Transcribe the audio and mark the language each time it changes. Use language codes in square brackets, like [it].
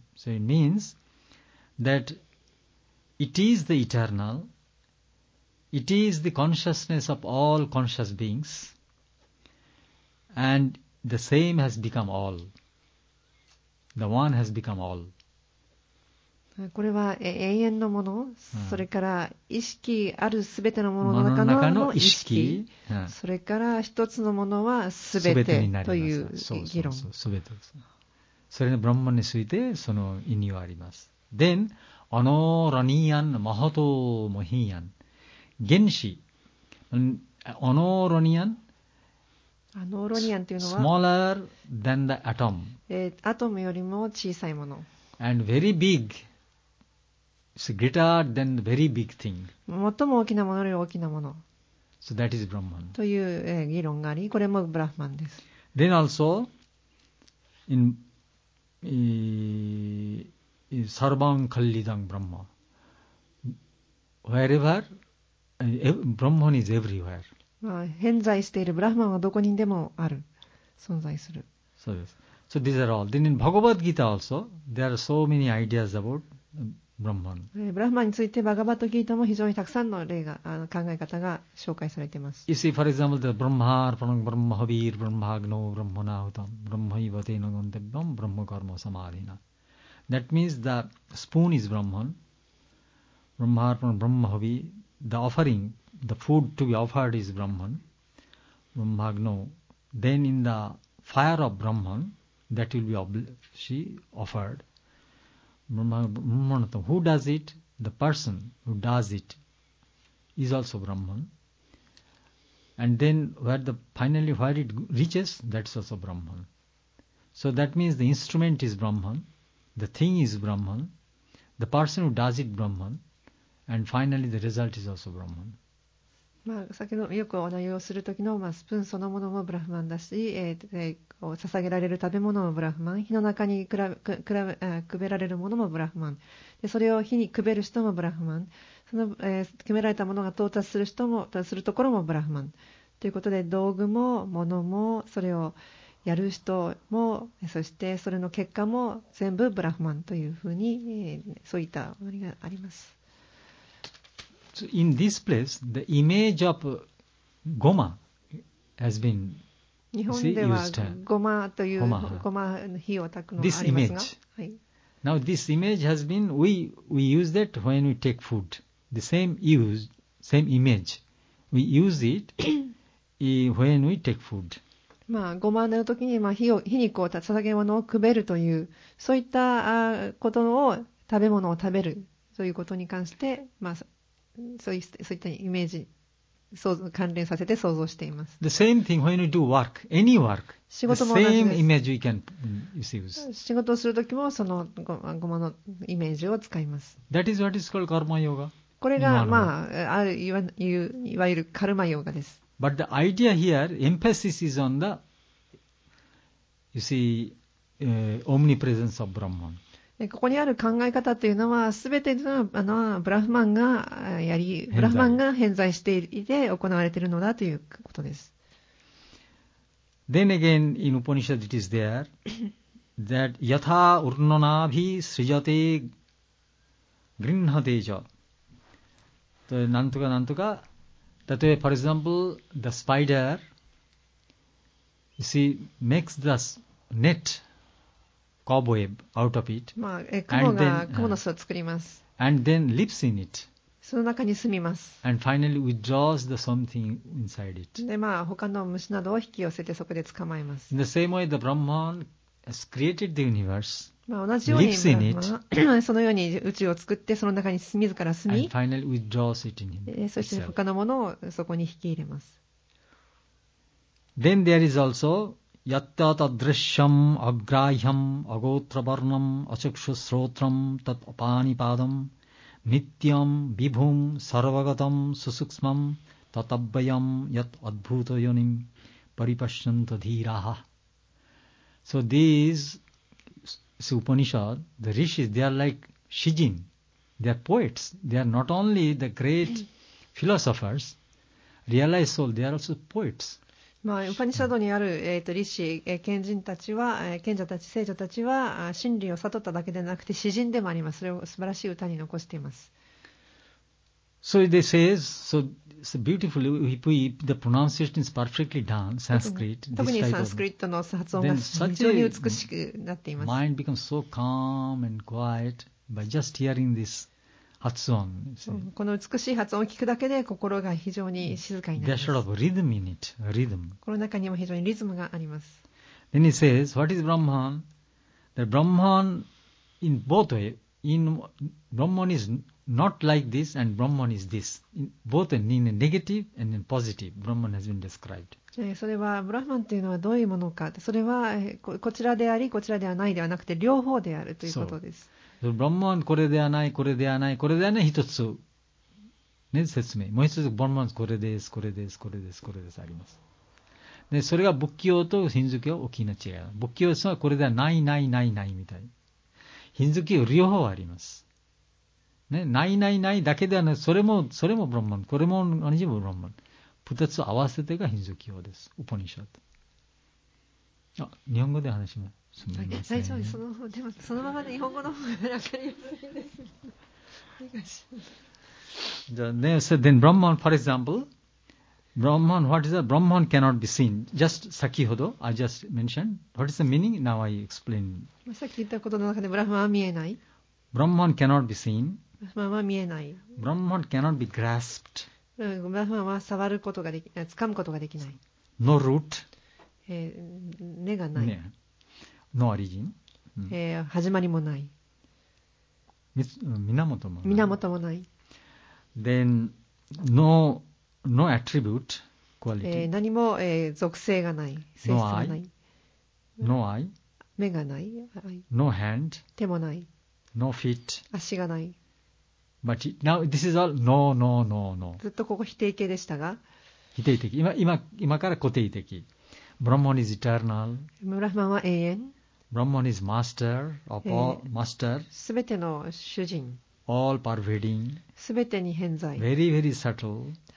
[en] So it means that it is the eternal, it is the consciousness of all conscious beings, and the same has become all. The one has become all. [ja] これは永遠のもの、それから意識あるすべてのものの中 の意識、それから一つのものはすべてという議論。全てです。それのブラッマンについてその意味はあります。 Then, アノーラニアン、マハトモヒアン。原子、アノーラニアン、ノーロニアンというのは [en] smaller than the atom、 [ja] アトムよりも小さいもの [en] and very big is greater than the very big thing、 [ja] 最も大きなものより大きなもの、 [en] so that is Brahman、 [ja] という、議論があり、これもブラフマンです。 then also in、 [sa] sarvam kalidam brahma [ja] wherever、Brahman is everywhere、まあ、偏在しているブラフマンはどこにでもある、存在する。そうです。 [en] So these are all. Then in Bhagavad Gita also, there are so many ideas about Brahman. [ja] ブラフマンについてバガバットギータも非常にたくさんの例が、考え方が紹介されています。 [sa] You see, for example, the Brahmaar, Pranam, Brahma, Havir, Brahma, Agno, Brahma, Nautam, Brahma, Ivate, Nagantabham, Brahma, Karma, Samadhina. [en] That means the spoon is Brahman. Brahmaar, Pranam, Brahma, Havir, the offering. The food to be offered is Brahman, Brahmagno. Then in the fire of Brahman, that will be she offered. Brahmanatam. Who does it? The person who does it is also Brahman. And then where the, finally where it reaches, that's also Brahman. So that means the instrument is Brahman, the thing is Brahman, the person who does it Brahman, and finally the result is also Brahman. [ja] まあ、先ほどよくお題をするときの、まあ、スプーンそのものもブラフマンだし、こう捧げられる食べ物もブラフマン、火の中にくべられるものもブラフマン、でそれを火にくべる人もブラフマン、その、くべられたものが到達する人も、到達するところもブラフマンということで、道具も物もそれをやる人もそしてそれの結果も全部ブラフマンというふうに、そういったものがあります。 [en] So in this place, the image of goma has been used. [ja] 日本ではゴマというゴマ火を焚くのがありますが、 [en] this image. [ja] はい、 [en] Now this image has been we use that when we take food. The same image we use it when we take food. [ja] まあゴマの時にまあ火にこう捧げ物をくべるというそういったことを食べ物を食べるということに関してまあ。そういったイメージ関連させて想像しています。 [en] The same thing when you do work, any work, [ja] 仕事も同じです。 [en] The same image you can use. [ja] 仕事をするときもそのゴマのイメージを使います。 [en] That is what is called karma yoga. [ja] これが、まあ、いわゆるカルマヨガです。 [en] But the idea here, emphasis is on the you see, omnipresence of Brahman. [ja] ここにある考え方というのは、すべてのブラフマンがやり、ブラフマンが偏在していて行われているのだということです。 [en] Then again, in Upanishad it is there that [sa] yatha urnanabhi srijate grinhateja. [en] That way, for example, the spider, you see, makes the net. Cobweb out of it. [ja] まあ、雲の巣を作ります。 [en] And then lives in it. [ja] その中に住みます。 [en] And finally withdraws the something inside it. [ja] で、まあ、他の虫などを引き寄せてそこで捕まえます。 [en] In the same way, the Brahman has created the universe. [ja] まあ、同じように、 [en] lives in it. [ja] そのように宇宙を作って、その中に自ら住み、 [en] And finally withdraws it in himself. [ja] そして他のものをそこに引き入れます。 [sa] Then there is also. Yatya tadrishyam agrahyam agotravarnam achakshusrotram tatapanipadam nityam vibhum sarvagatam susuksmam tatabhayam yat adbhutayonim paripashyantadhiraha. [en] So these Upanishad, the rishis, they are like Shijin. They are poets. They are not only the great philosophers, realized soul, they are also poets. [ja] まあ、ウパニシャドにある、リシ、賢人たちは、賢者たち、聖女たちは真理を悟っただけでなくて詩人でもあります。それを素晴らしい歌に残しています。 [en] So they say, so it's beautiful if the pronunciation is perfectly done, Sanskrit, [ja] 特にサンスクリットの発音が非常に美しくなっています。 [en] Mind becomes so calm and quiet by just hearing this. [ja] 発音この美しい発音を聞くだけで心が非常に静かになります。 [en] There's a lot of rhythm in it. Rhythm. [ja] この中にも非常にリズムがあります。 [en] Then he says, what is Brahman? The Brahman in both ways. In Brahman is not like this and Brahman is this. Both in a negative and in positive, Brahman has been described. [ja] それはブラハマンというのはどういうものか。それはこちらでありこちらではないではなくて両方であるということです。 So, ブラハマンこれではないこれではないこれではない一つ、ね、説明。もう一つブラハマンこれですこれですこれですこれですあります。でそれが仏教とヒンズー教大きな違い。仏教はこれではないないないないみたい。ヒンズー教両方あります。ね、ないないないだけではなくそれもブラハマン、これも同じブラハマン。二つ合わせてがヒンズー教です。ウポニシャド。あ、日本語で話します。すみません、ね。大丈夫です。でもそのままで日本語の方が分かりやすいです。お願いします。じゃあね、 [en] then Brahman, for example, Brahman, what is that? Brahman cannot be seen. Just [ja] 先ほど [en] I just mentioned. What is the meaning? Now I explain. [ja] さっき言ったことの中でブラハマンは見えない。 [en] Brahman cannot be seen. [ja] ブラハマンは見えない。 [en] Brahman cannot be grasped. [ja] ブラハマンは触ることができ、掴むことができない。 [en] No root、 [ja] 根がない。 [en] No origin、 [ja] 始まりもない。源もない。 [en] Then no attribute quality、 [ja] 何も、属性がない。性質がない。 [en] No eye。 [ja] 目がない。 [en] No hand。 [ja] 手もない。 [en] No feet。 [ja] 足がない。 [en] But now this is all no, no, no, no. [ja] ずっとここ否定形でしたが。否定的。今から固定的。 [en] Brahman is eternal. [ja] ブラハマンは永遠。 [en] Brahman is master of all master. [ja] すべての主人。 [en] All pervading. [ja] すべてに偏在。 [en] Very, very subtle.